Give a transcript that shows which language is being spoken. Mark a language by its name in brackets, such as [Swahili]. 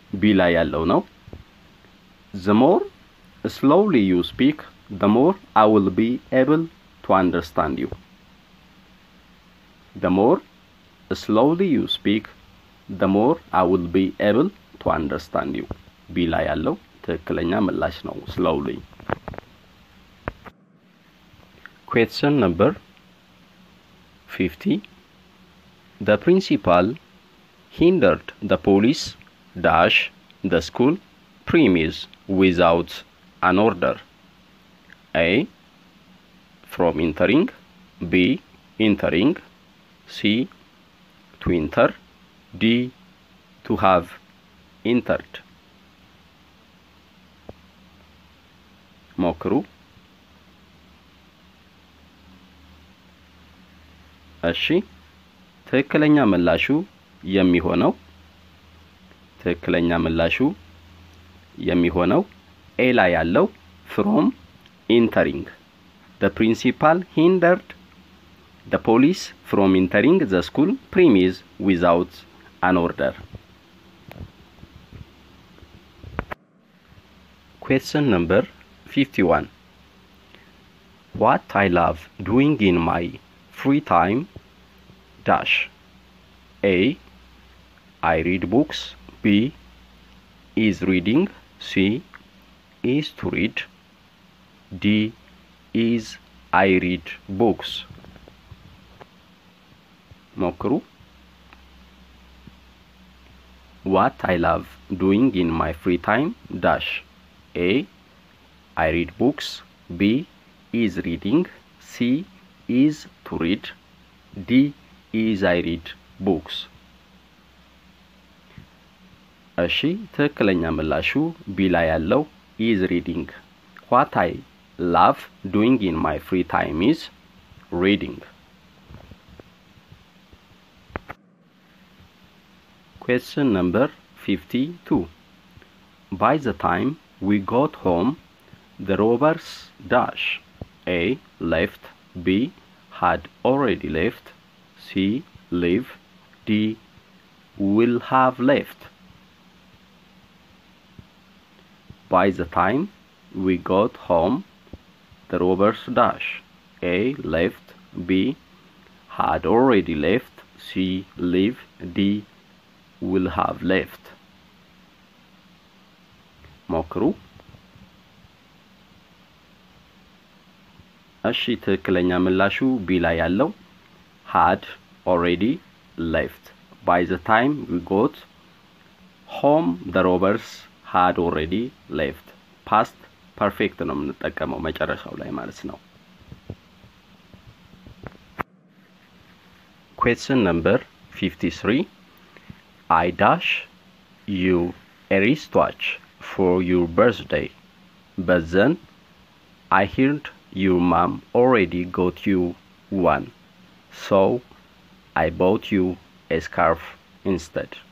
[Amharic] ቢላ ያለው ነው። [English] The more slowly you speak, the more I will be able to understand you. The more slowly you speak, the more I will be able to understand you. [Amharic] ቢላ ያለው ትክክለኛ ምላሽ ነው slowly. [English] Question number 50. The principal hindered the police dash the school premises without an order A from entering B entering C to enter D to have entered. [Amharic] ሞክሩ። እሺ ትክክለኛ ምላሹ የሚሆነው ኤላ ያለው [English] from entering. The principal hindered the police from entering the school premises without an order. Question number 51. What I love doing in my free time dash A I read books. B. Is reading. C. Is to read. D. Is I read books. [Amharic] ሞክሩ። [English] What I love doing in my free time - A. I read books. B. Is reading. C. Is to read. D. Is I read books. [Amharic] እሺ ተከለኛ መላሹ ቢላ ያለው [English] is reading. What I love doing in my free time is reading. Question number 52. By the time we got home, the robbers - A. left. B. had already left. C. leave. D. will have left. By the time we got home, the robbers - A. left. B. had already left. C. leave. D. will have left. [Amharic] ሞክሩ። እሺ ትክክለኛ መላሹ ቢላ ያለው [English] had already left. By the time we got home, the robbers had already left. [Amharic] Past perfect ነው የምንጠቀመው መጨረሻው ላይ ማለት ነው። [English] Question number 53. I dash you a wristwatch for your birthday, but then I heard your mom already got you one, so I bought you a scarf instead.